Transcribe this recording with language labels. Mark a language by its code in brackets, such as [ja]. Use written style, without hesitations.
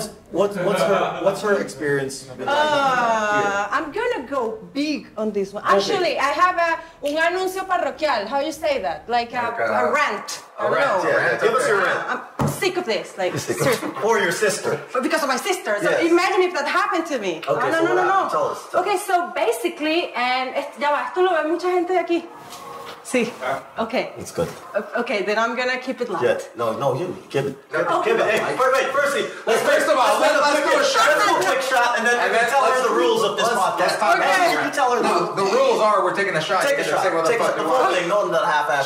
[en] What's her experience been like here? I'm going to go big on this one. Actually, I have a... [es] Un anuncio parroquial. [en] How do you say that? Like a rant. A rant, Give us your rant. Sick of this, or your sister, because of my sister. So imagine if that happened to me. Okay, tell us. Okay, so basically, and [es] ya va, esto lo ve mucha gente aquí. Sí. [en] Okay. It's good. Okay, then I'm gonna keep it light. Yeah. No, you keep it. Wait, firstly, let's do a quick shot, and then tell her the rules of this podcast. Okay. You tell her the rules. The rules are we're taking a shot. Take a shot. Take the whole thing, not that half ass.